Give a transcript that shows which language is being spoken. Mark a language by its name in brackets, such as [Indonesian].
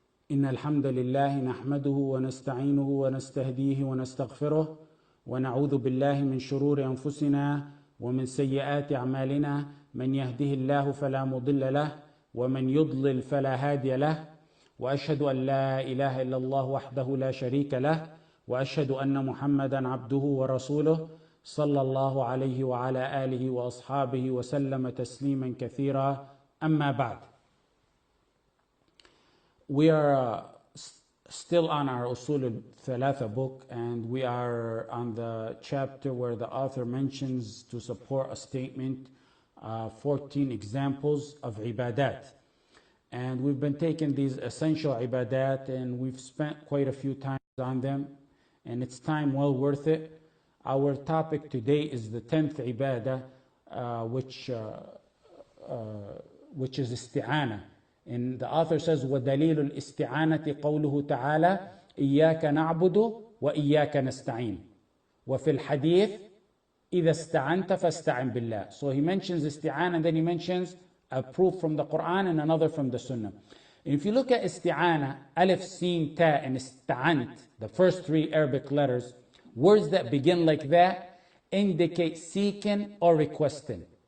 [Arabic] إن الحمد لله نحمده ونستعينه ونستهديه ونستغفره ونعوذ بالله من شرور أنفسنا ومن سيئات أعمالنا، من يهده الله فلا مضل له ومن يضلل فلا هادي له، وأشهد أن لا إله إلا الله وحده لا شريك له، وأشهد أن محمدا عبده ورسوله صلى الله عليه وعلى آله وأصحابه وسلم تسليما كثيرا، أما بعد. [English] We are still on our Usul al-Thalatha book, and we are on the chapter where the author mentions to support a statement 14 examples of ibadat. And we've been taking these essential ibadat and we've spent quite a few times on them, and it's time well worth it. Our topic today is the 10th ibadah, which is isti'ana. And the author says, [Arabic] وَدَلِيلُ الْإِسْتِعَانَةِ قَوْلُهُ تَعَالَى إِيَّاكَ نَعْبُدُ وَإِيَّاكَ نَسْتَعِينُ وَفِي الْحَدِيثِ إِذَا اسْتَعَنْتَ فَاسْتَعِنْ بِاللَّهِ. [English] So he mentions isti'ana, and then he mentions a proof from the Quran and another from the Sunnah. And if you look at isti'ana, alif, seen, ta, and ista'ant, the first three Arabic letters, words that begin like that indicate seeking or requesting.